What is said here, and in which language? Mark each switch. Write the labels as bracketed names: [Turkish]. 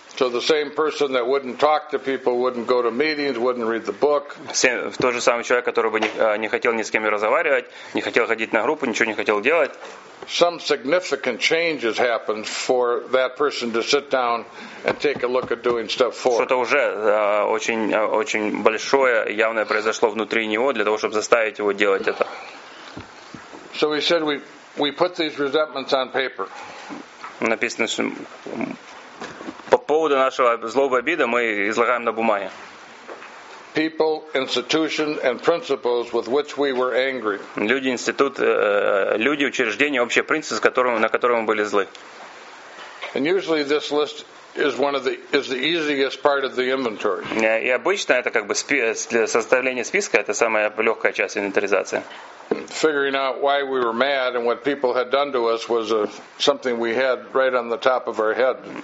[English] So the same person that wouldn't talk to people, wouldn't go to meetings, wouldn't read the book. [Russian] Тот же самый человек, который бы не хотел ни с кем разговаривать, не хотел ходить на группу, ничего не хотел делать. [English] Some significant changes happened for that person to sit down and take a look at doing stuff for. [Russian] Что-то уже очень большое явное произошло внутри него для того, чтобы заставить его делать это. [English] So we said we put these resentments on paper. [Russian] Написано, что по поводу нашего злобы и обиды мы излагаем на бумаге. [English] People, institution, and principles with which we were angry. [Russian] Люди, институт, люди, учреждения, общие принципы, на которые мы были злы. [English] And usually this list is the easiest part of the inventory. [Russian] И обычно это как бы составление списка, это самая легкая часть инвентаризации. [English] Figuring out why we were mad and what people had done to us was something we had right on the top of our head.